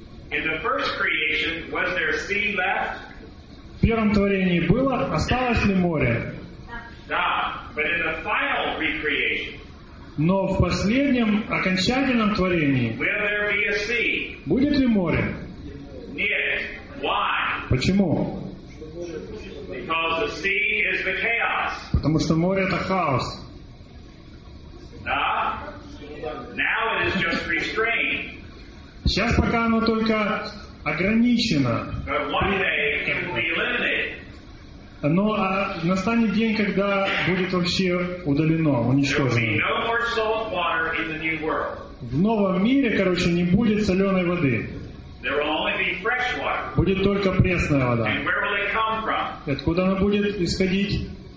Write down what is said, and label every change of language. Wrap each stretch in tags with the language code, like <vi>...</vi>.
<en>In the first creation, was there sea left?</en> <ru>В первом творении было, осталось ли море?</ru> <en>Да, but in the final recreation,</en> <ru>но в последнем, окончательном творении,</ru> <en>will there be a sea?</en> <ru>Будет ли море?</ru> <en>Нет. Why?</en> <ru>Почему?</ru> <en>Because the sea is the chaos.</en> <ru>Потому что море это хаос.</ru> <en>Да. Now it is just restrained.</en> <ru>Сейчас пока оно только ограничено.</ru> <en>But one day it will be eliminated.</en> <ru>Но настанет день, когда будет вообще удалено, уничтожено.</ru> <en>There will be no more salt water in the new world.</en> <ru>В новом мире, короче, не будет соленой воды.</ru> <en>There will only be fresh water.</en> <ru>Будет только пресная вода.</ru> <en>And where will it come from?</en> <ru>Откуда она будет исходить?</ru>